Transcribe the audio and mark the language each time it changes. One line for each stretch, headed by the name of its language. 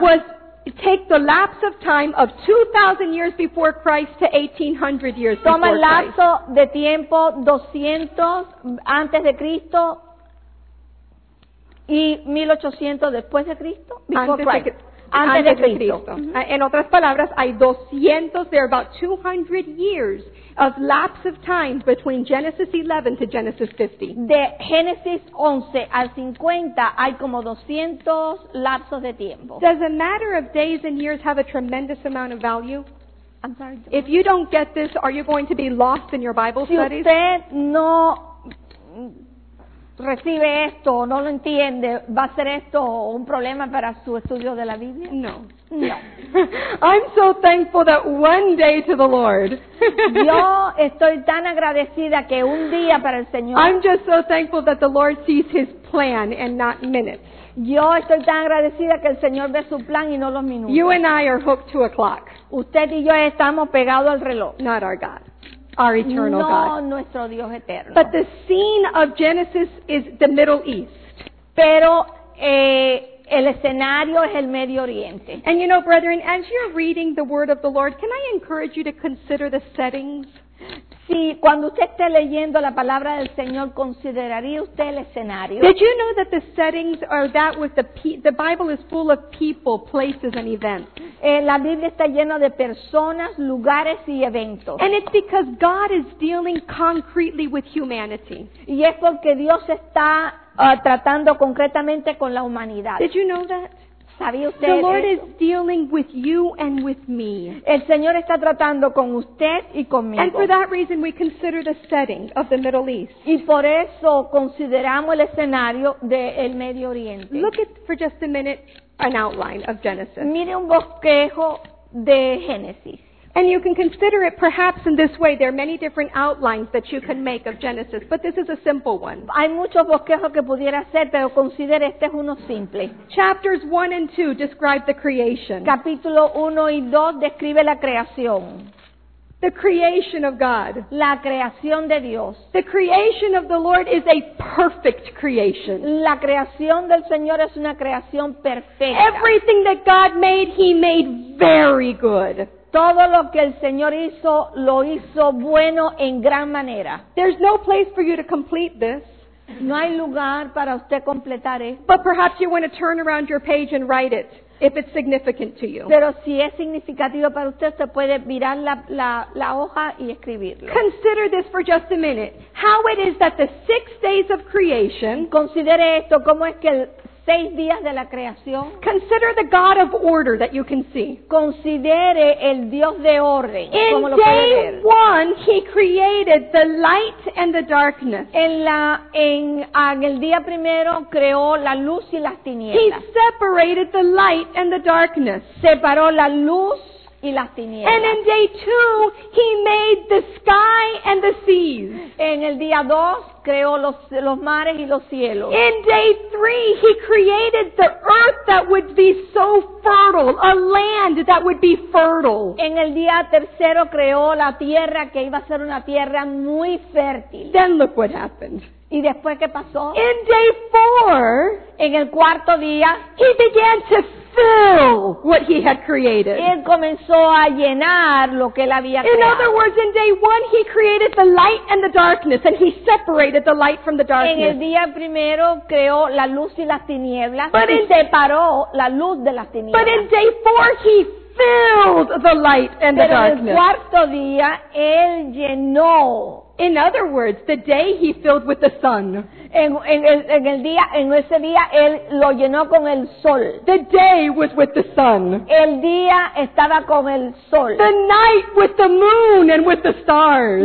English: Was take the lapse of time of 2,000 years before Christ to 1,800 years before Christ.
Spanish: Toma el lapso de tiempo 200 antes de Cristo y 1,800 después de Cristo. Antes de Cristo. En otras palabras, hay 200,
English: there are about 200 years of lapse of time between Genesis 11 to Genesis 50.
Spanish: De Génesis 11 al 50 hay como 200 lapsos de tiempo.
English: Does a matter of days and years have a tremendous amount of value? I'm sorry. If you don't get this, are you going to be lost in your Bible studies?
Spanish: Si usted no recibe esto, no lo entiende, ¿va a ser esto un problema para su estudio de la Biblia? No.
English: I'm so thankful that one day to the Lord.
Spanish: Yo estoy tan agradecida que un día para el Señor.
English: I'm just so thankful that the Lord sees his plan and not minutes.
Spanish: Yo estoy tan agradecida que el Señor ve su plan y no los minutos.
English: You and I are hooked to a clock.
Spanish: Usted y yo estamos pegados al reloj.
English: Not our God. Our eternal
Spanish: no,
English: God.
Spanish: Nuestro Dios eterno.
English: But the scene of Genesis is the Middle East.
Spanish: Pero el escenario es el Medio Oriente.
English: And you know, brethren, as you're reading the word of the Lord, can I encourage you to consider the settings?
Spanish: Sí, cuando usted esté leyendo la palabra del Señor, ¿consideraría usted el escenario?
English: Did you know that the settings are that with the Bible is full of people, places, and events?
Spanish: La Biblia está llena de personas, lugares y eventos.
English: And it's because God is dealing concretely with humanity.
Spanish: Y es porque Dios está tratando concretamente con la humanidad.
English: Did you know that?
Spanish: ¿Sabía usted
English: the Lord
Spanish: eso?
English: Is dealing with you and with me.
Spanish: El Señor está tratando con usted y conmigo.
English: And for that reason, we consider the setting of the Middle East.
Spanish: Y por eso consideramos el escenario del Medio Oriente.
English: Look at for just a minute an outline of Genesis.
Spanish: Mire un bosquejo de Génesis.
English: And you can consider it perhaps in this way. There are many different outlines that you can make of Genesis, but this is a simple one.
Spanish: Hay muchos bosquejos que pudiera hacer, pero considere este es uno simple.
English: Chapters 1 and 2 describe the creation.
Spanish: Capítulo 1 y 2 describe la creación.
English: The creation of God.
Spanish: La creación de Dios.
English: The creation of the Lord is a perfect creation.
Spanish: La creación del Señor es una creación perfecta.
English: Everything that God made, He made very good.
Spanish: Todo lo que el Señor hizo, lo hizo bueno en gran manera.
English: There's no place for you to complete this.
Spanish: No hay lugar para usted completar esto.
English: But perhaps you want to turn around your page and write it, if it's significant to you.
Spanish: Pero si es significativo para usted, se puede mirar la hoja y escribirlo.
English: Consider this for just a minute. How it is that the 6 days of creation...
Spanish: Considere esto, cómo es que... Seis días de la creación.
English: Consider the God of order that you can see.
Spanish: Considere el Dios de orden.
English: In
Spanish: como lo
English: day one, He created the light and the darkness.
Spanish: En el día primero creó la luz y las tinieblas.
English: He separated the light and the darkness.
Spanish: Separó la luz y las tinieblas.
English: And in day two, He made the sky and the seas.
Spanish: En el día dos, creó los mares y los cielos.
English: In day three, He created the earth that would be so fertile, a land that would be fertile.
Spanish: En el día tercero, creó la tierra que iba a ser una tierra muy fértil.
English: Then look what happened.
Spanish: ¿Y después qué pasó?
English: In day four,
Spanish: en el cuarto día,
English: He began to fill what He had created.
Spanish: Él comenzó a llenar lo que él había creado.
English: In other words, in day one, He created the light and the darkness, and He separated the light from the darkness.
Spanish: En el día primero creó la luz y las tinieblas, y separó la luz de las tinieblas.
English: But in day four, He filled the light and the darkness.
Spanish: Pero el cuarto día, él llenó.
English: In other words, the day He filled with the sun.
Spanish: En ese día, él lo llenó con el sol.
English: The day was with the sun.
Spanish: El día estaba con el sol.
English: The night with the moon and with the stars.